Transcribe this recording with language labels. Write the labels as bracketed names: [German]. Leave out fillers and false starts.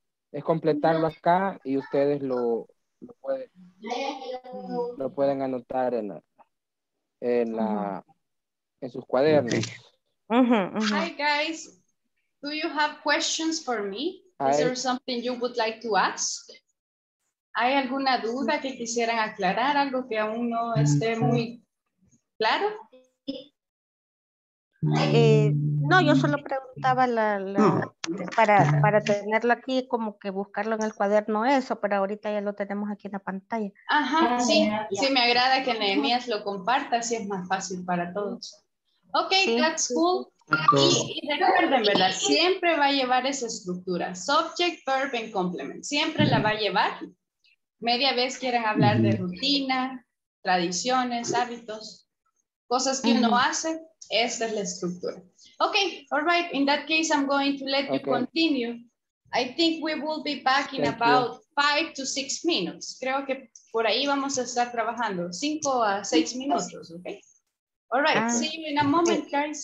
[Spanish] Es completarlo acá y ustedes lo pueden anotar en sus cuadernos. [English] Okay. Uh-huh, uh-huh. Hi guys, do you have questions for me? Hi. Is there something you would like to ask? [Spanish] ¿Hay alguna duda que quisieran aclarar, algo que aún no esté muy claro? No, yo solo preguntaba para tenerlo aquí, como que buscarlo en el cuaderno, eso, pero ahorita ya lo tenemos aquí en la pantalla. Ajá, sí, sí, me agrada que Nehemías lo comparta, así es más fácil para todos. Ok, sí, [English] that's cool. [Spanish] Sí. Y recuerden, ¿verdad? Siempre va a llevar esa estructura, [English] subject, verb, and complement. [Spanish] Siempre la va a llevar. Media vez quieren hablar de rutina, tradiciones, hábitos. Cosas que uno hace, esta es la estructura. [English] Okay, all right. In that case, I'm going to let you continue. I think we will be back in about 5 to 6 minutes. [Spanish] Creo que por ahí vamos a estar trabajando. [English] 5 a 6 minutes, okay? All right, see you in a moment, guys.